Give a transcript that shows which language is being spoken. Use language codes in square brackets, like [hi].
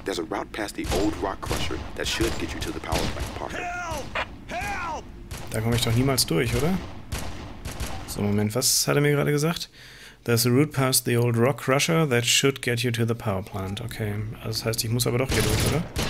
[en] There's a route past the old rock crusher that should get you to the power plant, Parker. Help! [de] Da komme ich doch niemals durch, oder? So, Moment, was hat er mir gerade gesagt? [en] There's a route past the old rock crusher that should get you to the power plant. [de] Okay, also das heißt, ich muss aber doch hier durch, oder?